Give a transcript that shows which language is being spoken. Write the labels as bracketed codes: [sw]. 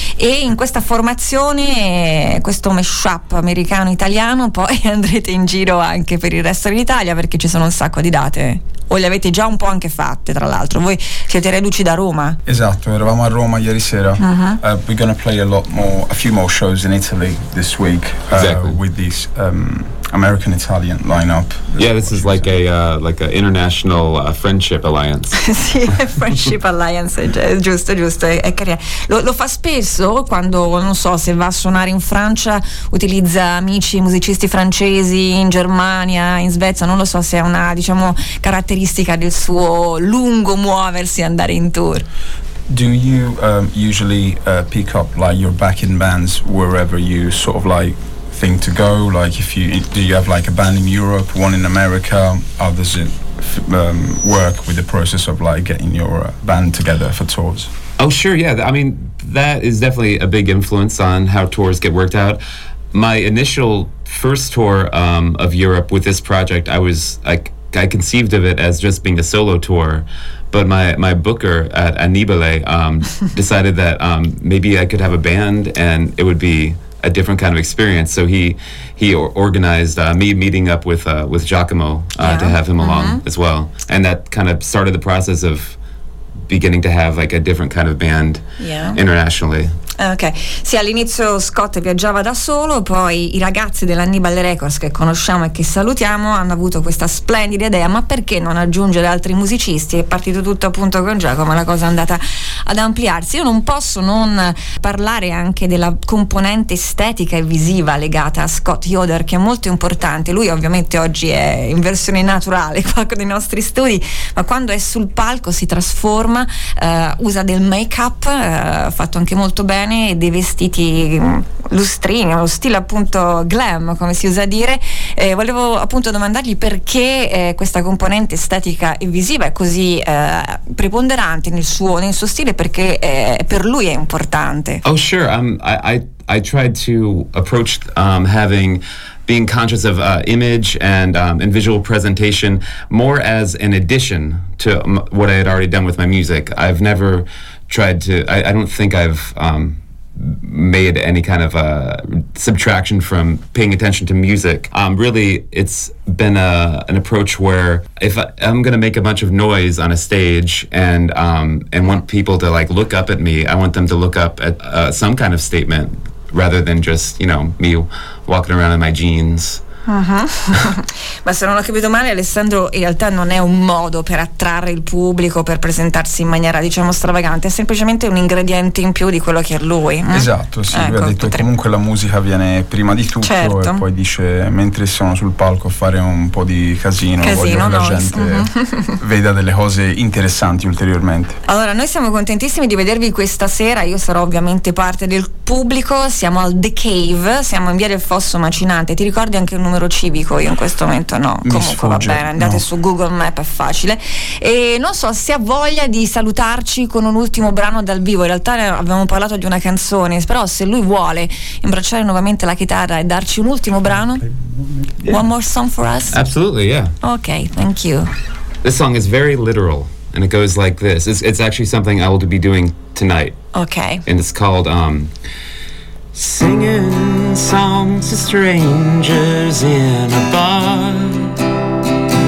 [it] E in questa formazione, questo mashup americano-italiano, poi andrete in giro anche per il resto dell'Italia, perché ci sono un sacco di date. O le avete già un po' anche fatte, tra l'altro. Voi siete reduci da Roma. Esatto, eravamo a Roma ieri sera. [en] We're gonna play a few more shows in Italy this week. Exactly. With this American Italian lineup. Yeah, this is like a international friendship alliance. [it] Sì, [en] friendship alliance, [it] giusto, è carina. Lo fa spesso quando, non so, se va a suonare in Francia, utilizza amici musicisti francesi in Germania, in Svezia, non lo so se è una, diciamo, caratteristica del suo lungo muoversi e andare in tour. [en] Do you usually pick up like your backing bands wherever you sort of like thing to go, like if you do you have like a band in Europe, one in America, how does it work with the process of like getting your band together for tours? Oh sure, yeah, I mean that is definitely a big influence on how tours get worked out. My initial first tour of Europe with this project, I conceived of it as just being a solo tour, but my booker at Annibale decided that maybe I could have a band and it would be a different kind of experience. So he organized me meeting up with Giacomo to have him along as well, and that kind of started the process of beginning to have like a different kind of band internationally. [it] Ok, sì, all'inizio Scott viaggiava da solo, poi i ragazzi dell'Annibale Records che conosciamo e che salutiamo hanno avuto questa splendida idea, ma perché non aggiungere altri musicisti? È partito tutto appunto con Giacomo, la cosa è andata ad ampliarsi. Io non posso non parlare anche della componente estetica e visiva legata a Scott Yoder, che è molto importante. Lui ovviamente oggi è in versione naturale qua con i nostri studi, ma quando è sul palco si trasforma, usa del make-up, fatto anche molto bene, e dei vestiti lustrini, lo stile appunto glam, come si usa dire. Volevo appunto domandargli perché questa componente estetica e visiva è così preponderante nel suo stile, perché per lui è importante. [en] Oh sure, I tried to approach being conscious of image and visual presentation more as an addition to what I had already done with my music. I've never tried to, I don't think I've made any kind of a subtraction from paying attention to music. Really, it's been an approach where if I'm going to make a bunch of noise on a stage and want people to like look up at me, I want them to look up at some kind of statement rather than just, you know, me walking around in my jeans. [it] Uh-huh. Ma se non ho capito male, Alessandro in realtà non è un modo per attrarre il pubblico, per presentarsi in maniera diciamo stravagante, è semplicemente un ingrediente in più di quello che è lui. Esatto, sì, ecco, lui ha detto che comunque la musica viene prima di tutto, certo. E poi dice mentre sono sul palco a fare un po' di casino voglio che la gente veda delle cose interessanti ulteriormente. Allora, noi siamo contentissimi di vedervi questa sera, io sarò ovviamente parte del pubblico, siamo al The Cave, siamo in via del Fosso Macinante, ti ricordi anche un numero civico? Io in questo momento no. Mi comunque sfugge, va bene, andate no. Su Google Map è facile. E non so se ha voglia di salutarci con un ultimo brano dal vivo, in realtà abbiamo parlato di una canzone, però se lui vuole imbracciare nuovamente la chitarra e darci un ultimo brano. [en] Yeah. One more song for us? Absolutely, yeah. Okay, thank you. This song is very literal and it goes like this. It's actually something I will be doing tonight. Okay. And it's called singing songs to strangers in a bar.